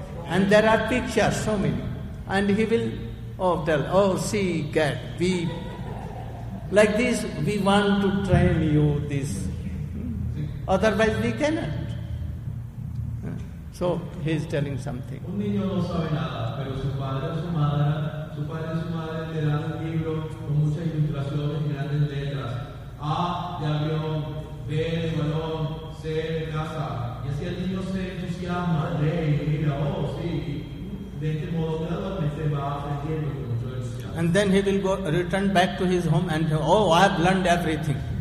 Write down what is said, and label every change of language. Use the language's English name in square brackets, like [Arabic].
[English] And there are pictures, so many. And he will tell, C. Cat. B. Like this, we want to train you this. Otherwise, we cannot. So he is telling something. [Spanish] Un niño no sabe nada, pero su padre o su madre le dan un libro con muchas ilustraciones y grandes letras. A de avión, B de balón, C de casa. Y así el niño se entusiasma, lee y mira, sí. De este modo gradualmente va aprendiendo con mucho entusiasmo. [English] And then he will go return back to his home and I have learned everything.